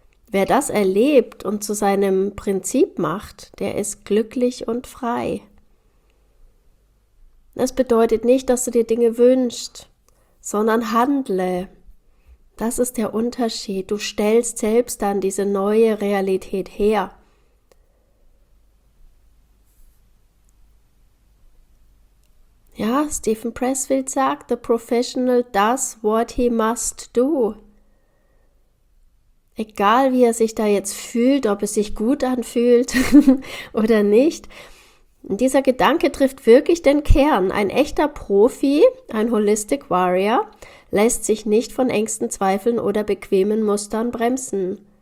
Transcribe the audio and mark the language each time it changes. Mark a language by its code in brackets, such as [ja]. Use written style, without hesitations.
[de] Wer das erlebt und zu seinem Prinzip macht, der ist glücklich und frei. Das bedeutet nicht, dass du dir Dinge wünschst, sondern handle. Das ist der Unterschied. Du stellst selbst dann diese neue Realität her. Ja, Stephen Pressfield sagt, [en] the professional does what he must do. [de] Egal, wie er sich da jetzt fühlt, ob es sich gut anfühlt oder nicht. Dieser Gedanke trifft wirklich den Kern. Ein echter Profi, ein Holistic Warrior, lässt sich nicht von Ängsten, Zweifeln oder bequemen Mustern bremsen.